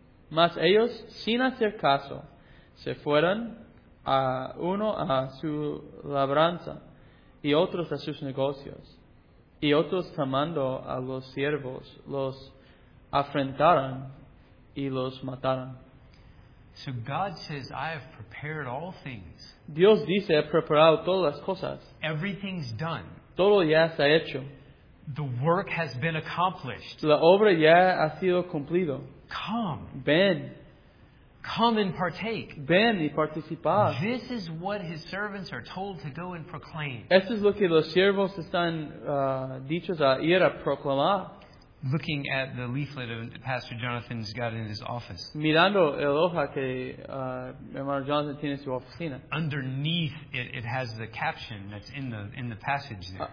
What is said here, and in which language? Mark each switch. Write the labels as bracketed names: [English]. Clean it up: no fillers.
[Spanish] Mas ellos, sin hacer caso, se fueron a uno a su labranza y otros a sus negocios. Y otros, tomando a los siervos, los afrentaron y los mataron. [English] So God says, I have prepared all things. [Spanish] Dios dice, he preparado todas las cosas. [English] Everything's done. [Spanish] Todo ya está hecho. [English] The work has been accomplished. [Spanish] La obra ya ha sido cumplido. [English] Come. [Spanish] Ven. [English] Come and partake. [Spanish] Ven y participar. [English] This is what his servants are told to go and proclaim. [Spanish] Esto es lo que los siervos están dichos a ir a proclamar. [English] Looking at the leaflet that Pastor Jonathan's got in his office. [Spanish] Mirando el hoja que hermano Jonathan tiene en su oficina. [English] Underneath it, it has the caption that's in the passage there.